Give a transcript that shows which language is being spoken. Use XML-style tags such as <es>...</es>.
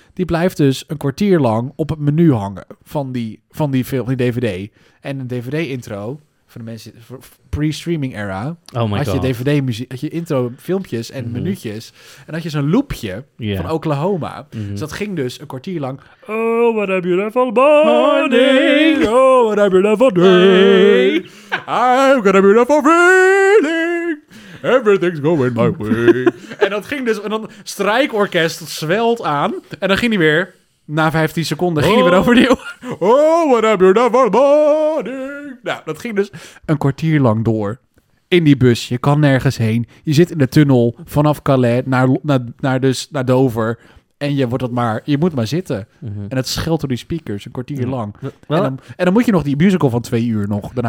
<nl>Die blijft dus een kwartier lang op het menu hangen van die film, die dvd. En een dvd-intro... Van de mensen pre-streaming era.</nl> <en>Oh my had God.</en> <nl>Je dvd-muziek, had je intro filmpjes en minuutjes. En had je zo'n loopje van Oklahoma. Mm-hmm. Dus dat ging dus een kwartier lang.</nl> <en>Oh, what a beautiful morning. Oh, what a beautiful day. I've got a beautiful feeling. Everything's going my way.</en> <nl>En dat ging dus, en dan strijkorkest zwelt aan. En dan ging hij weer, na 15 seconden, ging hij weer overnieuw.</nl> <en>Oh, what a beautiful morning.</en> <nl>Nou, dat ging dus een kwartier lang door in die bus. Je kan nergens heen. Je zit in de tunnel vanaf Calais naar Dover. En je moet maar zitten. Mm-hmm. En het schelt door die speakers een kwartier lang. En dan moet je nog die musical van 2 uur nog daarna</nl>